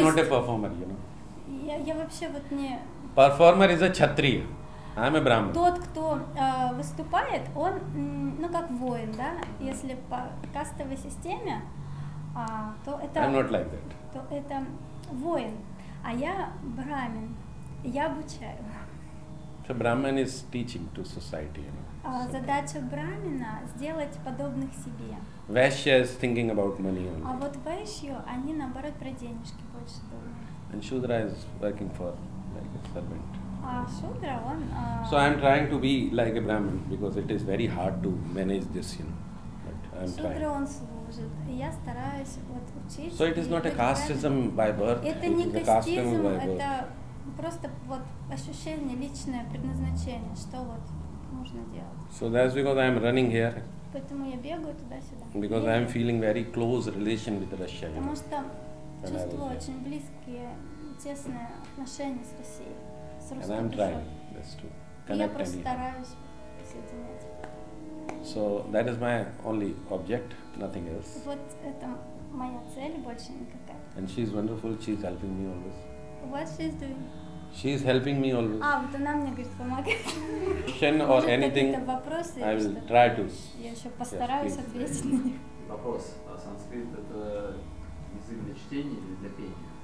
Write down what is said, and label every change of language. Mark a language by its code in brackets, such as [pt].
[en] I am not a performer, you know. [ru] Я вообще вот не... [en] Performer is a kshatriya. I am a brahmin. [ru] Тот, кто выступает, он, ну, как воин, да? Если по кастовой системе, то это... [en] I'm not like that. [ru] То это воин. А я брамин. Я обучаю. [en] So Brahman is teaching to society, you know. [ru] Задача брамина сделать подобных себе. [en] Vaishya is thinking about money only. [ru] А вот вайшья, они наоборот про денежки больше думают. [en] And Shudra is working for like a servant. [ru] Shudra, он. [en] So I'm trying to be like a Brahman because it is very hard to manage this, you know. But I'm Shudra, trying. [ru] Он служит, и я стараюсь вот учить. [en] So it is not a casteism by birth. [ru] Это не кастизм, это просто вот ощущение, личное предназначение, что вот нужно делать. [en] So that's because I am running here. [ru] Поэтому я бегаю туда-сюда. [en] Because I am feeling very close relation with Russia. [ru] Потому что чувствую очень близкие, тесные отношения с Россией, с русской душой. [en] And I'm trying this to connect [ru] and я просто стараюсь соединять. [en] So that is my only object, nothing else. [ru] Вот это моя цель, больше никакая. [en] And she is wonderful, she is helping me always. What she's doing? She is helping me always. [ru] А, вот она мне говорит, помогает. Question or anything, I will try to. Я еще постараюсь ответить на них. Вопрос. А санскрит — это язык для чтения или для пения?